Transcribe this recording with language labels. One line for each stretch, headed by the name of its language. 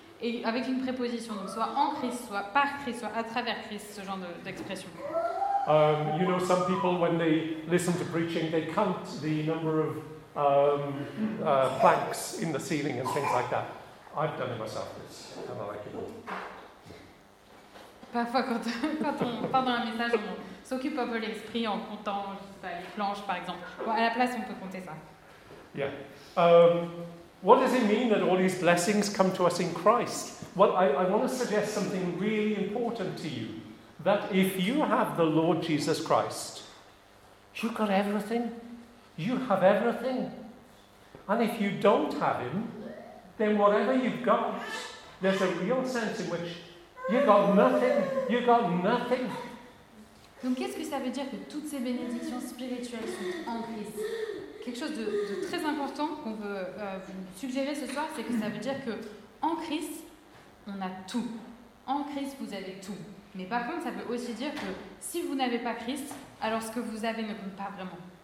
French: et avec une préposition, donc soit en Christ, soit par Christ, soit à travers Christ, ce genre d'expression.
English: You know, some people, when they listen to preaching, they count the number of planks in the ceiling and things like that. I've done it myself, this, and I like it.
French: Parfois, quand on part dans un message, on s'occupe un peu l'esprit en comptant les planches, par exemple. Bon, à la place, on peut compter ça.
English: Yeah. What does it mean that all these blessings come to us in Christ? Well, I want to suggest something really important to you. That if you have the Lord Jesus Christ, you've got everything. You have everything. And if you don't have him, then whatever you've got, there's a real sense in which you've got nothing. You've got nothing.
French: Donc qu'est-ce que ça veut dire que toutes ces bénédictions spirituelles sont en Christ? Quelque chose de très important qu'on veut vous suggérer ce soir, c'est que ça veut dire que en Christ, on a tout. En Christ, vous avez tout. Mais par contre, ça veut aussi dire que si vous n'avez pas Christ, alors ce que vous avez ne compte pas vraiment.